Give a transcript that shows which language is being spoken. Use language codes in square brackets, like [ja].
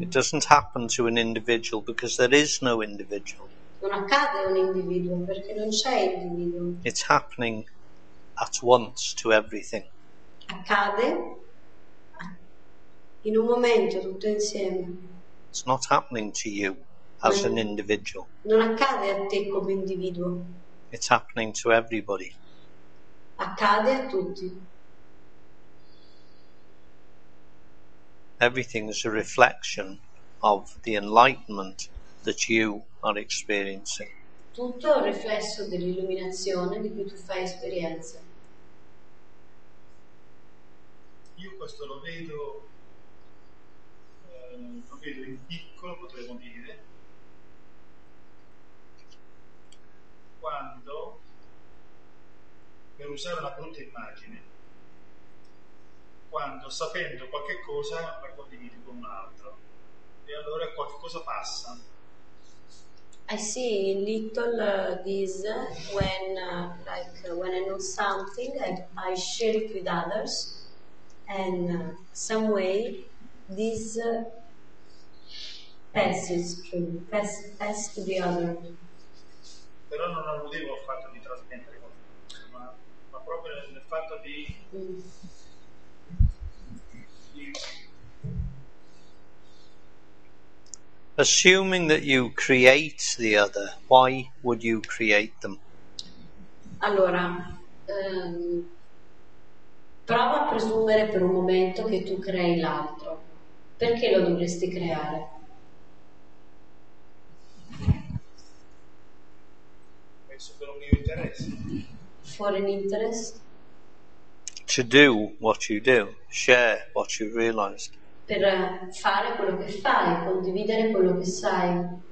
[en] It doesn't happen to an individual because there is no individual. [it] Non accade a un individuo perché non c'è individuo. [en] It's happening at once to everything. [it] Accade in un momento tutto insieme. [en] It's not happening to you as an individual. [it] Non accade a te come individuo. [en] It's happening to everybody. [it] Accade a tutti. [en] Everything is a reflection of the enlightenment that you are experiencing. [it] Tutto è un riflesso dell'illuminazione di cui tu fai esperienza. Io questo lo vedo in piccolo, potremmo dire, quando, per usare una brutta immagine, quando sapendo qualche cosa la condivido con un altro e allora qualche cosa passa. [en] I see in little this when like when I know something I share it with others and some way this passes to the other. [it] Però non alludevo al fatto di trasmettere qualcosa, ma proprio nel fatto di di [en] assuming that you create the other, why would you create them? [it] Allora, prova a presumere per un momento che tu crei l'altro. Perché lo dovresti creare? Penso per un mio interesse. [en] For an interest? To do what you do, share what you realized. [it] Per fare quello che fai, condividere quello che sai.